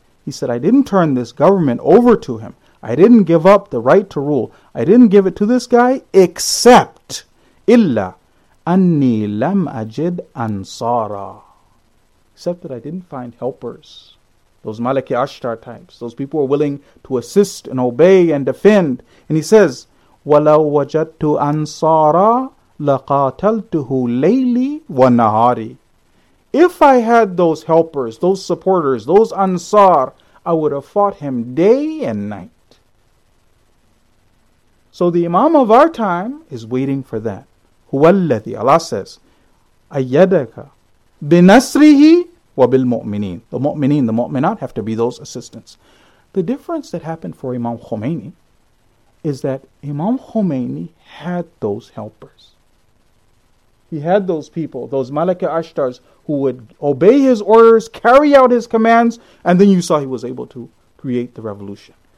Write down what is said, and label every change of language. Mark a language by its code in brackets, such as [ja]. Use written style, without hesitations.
[en] He said, I didn't turn this government over to him. I didn't give up the right to rule. I didn't give it to this guy except [ar] illa anni lam ajid ansara. [en] Except that I didn't find helpers. Those Malik-e Ashtar types. Those people who are willing to assist and obey and defend. And he says, [ar] وَلَوْ وَجَدْتُ أَنصَارًا لَقَاتَلْتُهُ لَيْلِي وَنَهَارِ. [en] If I had those helpers, those supporters, those Ansar, I would have fought him day and night. So the Imam of our time is waiting for that. [ar] هُوَ الَّذِي, [en] Allah says, [ar] أَيَّدَكَ بِنَسْرِهِ وَبِالْمُؤْمِنِينَ. [en] The mu'mineen, the mu'minat have to be those assistants. The difference that happened for Imam Khomeini is that Imam Khomeini had those helpers. He had those people, those Malik-e Ashtars, who would obey his orders, carry out his commands, and then you saw he was able to create the revolution.